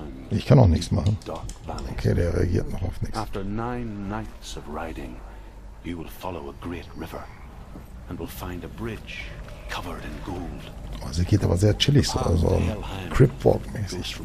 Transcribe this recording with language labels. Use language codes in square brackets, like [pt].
[de] Ich kann auch nichts machen. Okay, der reagiert noch auf nichts. [en] After 9 nights of riding, you will follow a great river and will find a bridge covered in gold. [de] Oh, sie geht aber sehr chillig so, also Cryptwalk-mäßig.